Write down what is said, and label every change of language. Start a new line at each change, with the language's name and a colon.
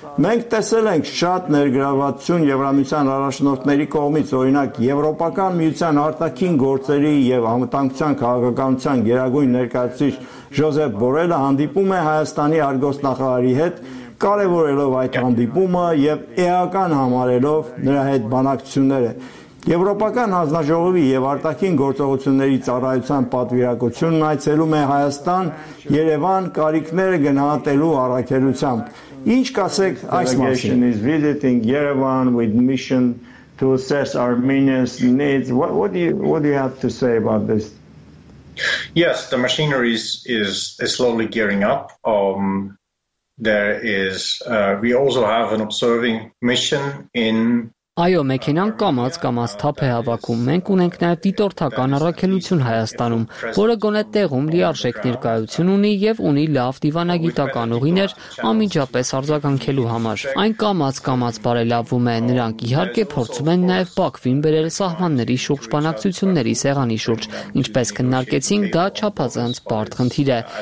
Armenian: Մենք տեսել ենք շատ ներգրավվածություն Եվրամիության առաջնորդների կողմից, օրինակ Եվրոպական Միության արտաքին գործերի և անվտանգության քաղաքականության գերագույն ներկայացուցիչ Ժոզեփ Բորելը հանդիպում է Հայաստանի արգոս նախարարի հետ, կարևորելով այդ հանդիպումը և էական համարելով նրա հետ բանակցությունները։ Եվրոպական հանձնաժողովի և արտաքին գործողությունների ծառայության պատվիրակությունն այցելում է Հայաստան Երևան կարիքները գնահատելու առաքելությամբ։ Ինչ կասեք այս մասին?
English: Is visiting Yerevan with mission to assess Armenia's needs. What do you have to say about this? Yes, the machinery is slowly gearing up. There is we also have an observing mission in.
Armenian: Այո, մեքենան կամաց-կամաց թափ է հավաքում։ Մենք ունենք նաև դիտորդական առաքելություն Հայաստանում, որը գոնե տեղում լիարժեք ներկայություն ունի և ունի լավ դիվանագիտական ուղիներ անմիջապես արձագանքելու համար։ Այն կամաց-կամաց բարելավվում է, նրանք իհարկե փորձում են նաև Բաքվին բերել սահմանների շուրջ բանակցությունների սեղանի շուրջ, ինչպես քննարկեցինք, դա չափազանց բարդ խնդիր է։